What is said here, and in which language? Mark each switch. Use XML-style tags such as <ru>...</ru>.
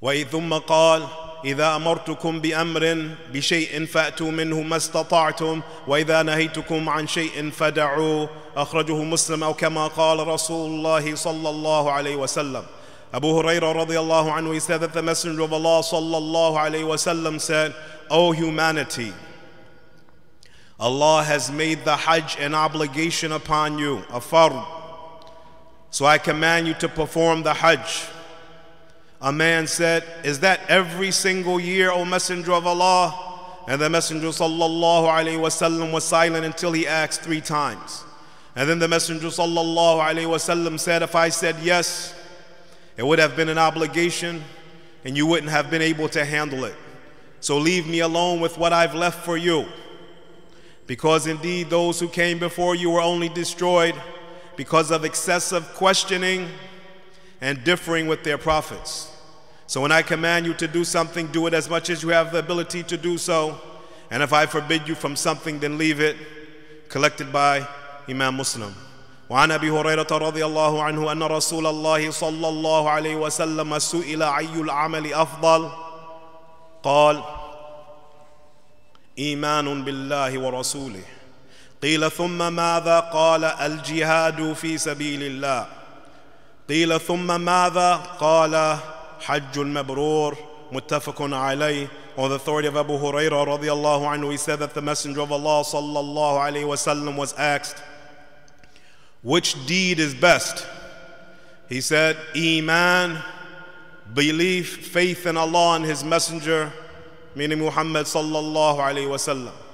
<ar>ثم قال إذا أمرتكم بأمر بشيء فأتوا منه ما استطعتم وإذا نهيتكم عن شيء فدعوا. أخرجه مسلم أو كما قال رسول الله صلى الله عليه وسلم.</ar> <en>Abu Huraira radiallahu anhu, he said that the Messenger of Allah sallallahu alayhi wa sallam said, O humanity, Allah has made the Hajj an obligation upon you, a fard, So I command you to perform the Hajj. A man said, is that every single year, O Messenger of Allah? And the Messenger sallallahu alayhi wasallam was silent until he asked three times. And then the Messenger sallallahu alayhi wasallam said, if I said yes, it would have been an obligation and you wouldn't have been able to handle it. So leave me alone with what I've left for you. Because indeed those who came before you were only destroyed because of excessive questioning and differing with their prophets. So when I command you to do something, do it as much as you have the ability to do so. And if I forbid you from something, then leave it. Collected by Imam Muslim.</en> <ar>وعن أبي هريرة رضي الله عنه أن رسول الله صلى الله عليه وسلم سئل أي العمل أفضل قال إيمان بالله ورسوله قيل ثم ماذا قال الجهاد في سبيل الله قيل ثم ماذا قال حج مبرور متفق عليه.</ar> <en>On the authority of Abu Huraira رضي الله عنه, he said that the Messenger of Allah صلى الله عليه وسلم was asked, which deed is best? He said, Iman, belief, faith in Allah and His Messenger, meaning Muhammad sallallahu alayhi wa sallam.</en>